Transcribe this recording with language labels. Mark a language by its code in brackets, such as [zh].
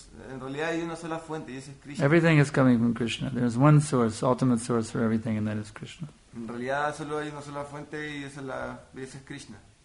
[es] En realidad hay una sola fuente, y ese es Krishna. [en] Everything is coming from Krishna. There's one source, ultimate source for everything, and that is Krishna. [es] En realidad solo hay una sola fuente, y esa es Krishna.